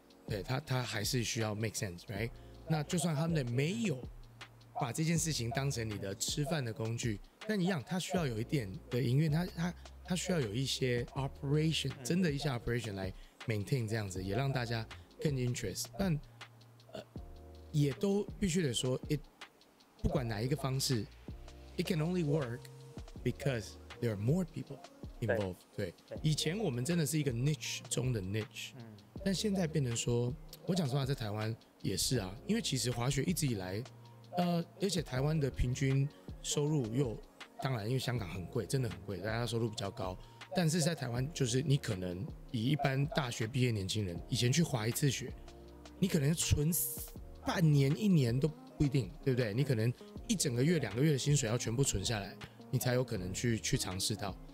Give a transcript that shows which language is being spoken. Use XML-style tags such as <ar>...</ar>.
<zh>对他还是需要</zh> <en>make sense， right？</en> <zh>那就算他们没有把这件事情当成你的吃饭的工具，但一样，他需要有一点的营运，他需要有一些</zh> <en>operation，</en> <zh>真的一些 operation 来</zh> <en>maintain</en> <zh>这样子，也让大家更</zh> <en>interest。</en> <zh>但也都必须得说</zh> <en>，it</en> <zh>不管哪一个方式</zh> <en>，it can only work because there are more people involved。</en> <zh>对，以前我们真的是一个 niche 中的 niche。但现在变成说，我讲实话，在台湾也是啊，因为其实滑雪一直以来，而且台湾的平均收入又，当然因为香港很贵，真的很贵，大家收入比较高，但是在台湾就是你可能以一般大学毕业年轻人以前去滑一次雪，你可能存半年一年都不一定，对不对？你可能一整个月两个月的薪水要全部存下来，你才有可能去尝试到。</zh>